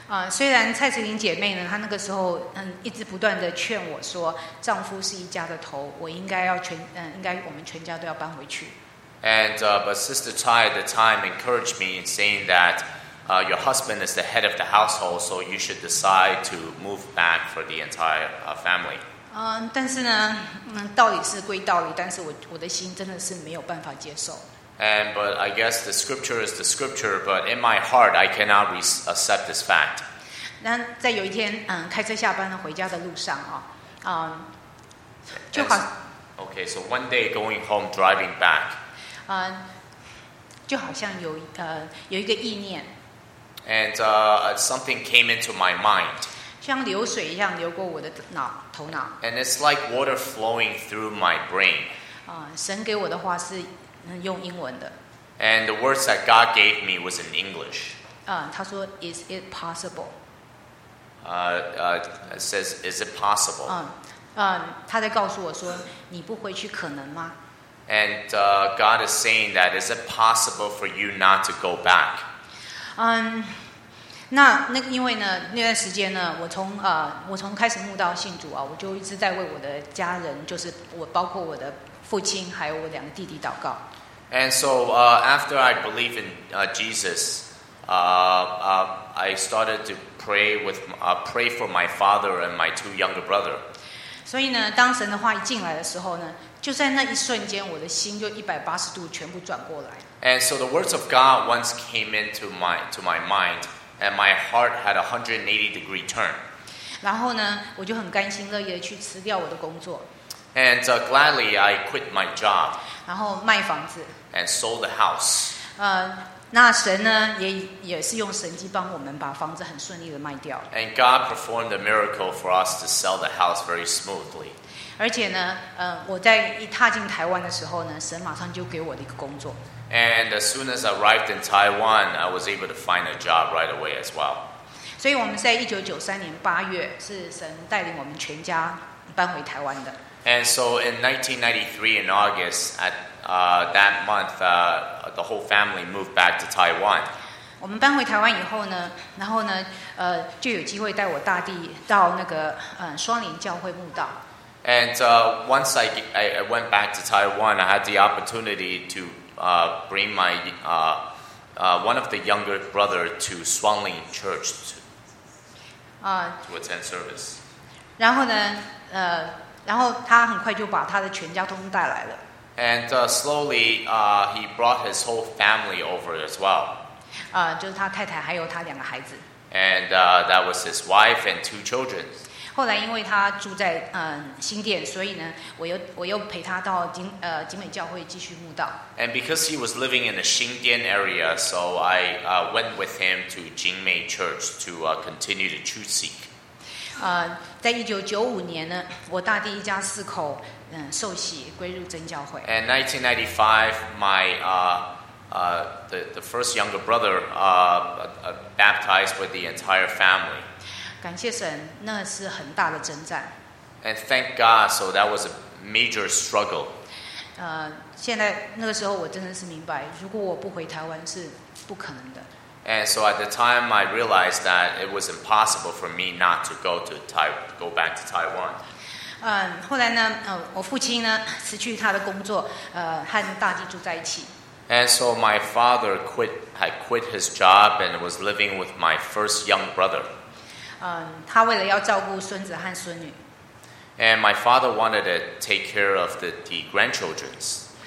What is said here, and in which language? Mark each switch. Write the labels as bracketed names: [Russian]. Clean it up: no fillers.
[Chinese] 虽然蔡慈玲姐妹呢，她那个时候一直不断的劝我说，丈夫是一家的头，我应该要全应该我们全家都要搬回去。 [English] And but Sister Chai at the time encouraged me in saying that your husband is the head of the household, so you should decide to move back for the entire family. [Chinese] 但是呢，道理是归道理，但是我的心真的是没有办法接受。 [English] And but I guess the scripture is the scripture, but in my heart, I cannot accept this fact. [Chinese] 那在有一天，开车下班回家的路上啊，就好。 [English] Okay, so one day going home, driving back. [Chinese] 就好像有一个意念。 [English] And something came into my mind. [Chinese] 像流水一样流过我的头脑。 [English] And it's like water flowing through my brain. [Chinese] 神给我的话是。用英文的。 [English] And the words that God gave me was in English. [Chinese] 他说 [English] ，Is it possible? It says, "Is it possible?" [Chinese] 他在告诉我说，你不回去可能吗 [English] ？And God is saying that, "Is it possible for you not to go back?" [Chinese] 那因为呢，那段时间呢，我从开始慕道信主啊，我就一直在为我的家人，就是我包括我的父亲还有我两个弟弟祷告。 [English] And so after I believe in Jesus, I started to pray for my father and my two younger brother. [Chinese] 所以呢，当神的话一进来的时候呢，就在那一瞬间，我的心就180度全部转过来。 [English] And so the words of God once came into my mind, and my heart had a 180 degree turn. [Chinese] 然后呢，我就很甘心乐意的去辞掉我的工作。 [English] And gladly I quit my job. [Chinese] 然后卖房子。 [English] And sold the house. [Chinese] 那神呢也是用神迹帮我们把房子很顺利的卖掉。 [English] And God performed a miracle for us to sell the house very smoothly. [Chinese] 而且呢，我在一踏进台湾的时候呢，神马上就给我的一个工作。 [English] And as soon as I arrived in Taiwan, I was able to find a job right away as well. [Chinese] 所以我们在1993年八月是神带领我们全家搬回台湾的。 [English] And so in 1993 in August, at that month, the whole family moved back to Taiwan. [Chinese] 我们搬回台湾以后呢，然后呢，就有机会带我大弟到那个双林教会慕道。 [English] And once I went back to Taiwan, I had the opportunity to bring my one of the younger brother to Swanling Church to attend service. [Chinese] 然后呢，然后他很快就把他的全家都带来了。 [English] And slowly, he brought his whole family over as well. [Chinese] 就是他太太还有他两个孩子。 [English] And that was his wife and two children. [Chinese] 后来因为他住在新店，所以呢，我又陪他到景美教会继续慕道。 [English] And because he was living in the 新店 area, so I went with him to 景美 Church to continue to truth seek. [Chinese] 在1995年呢，我大弟一家四口受洗归入真教会。 [English] And 1995, my the first younger brother baptized with the entire family. [Chinese] 感谢神，那是很大的征战。 [English] And thank God, so that was a major struggle. [Chinese] 现在那个时候我真的是明白，如果我不回台湾是不可能的。 [English] And so at the time, I realized that it was impossible for me not to go back to Taiwan. [Chinese] 后来呢，我父亲呢辞去他的工作，和大弟住在一起。 [English] And so my father had quit his job and was living with my first young brother. [Chinese] 他为了要照顾孙子和孙女。 [English] And my father wanted to take care of the grandchildren.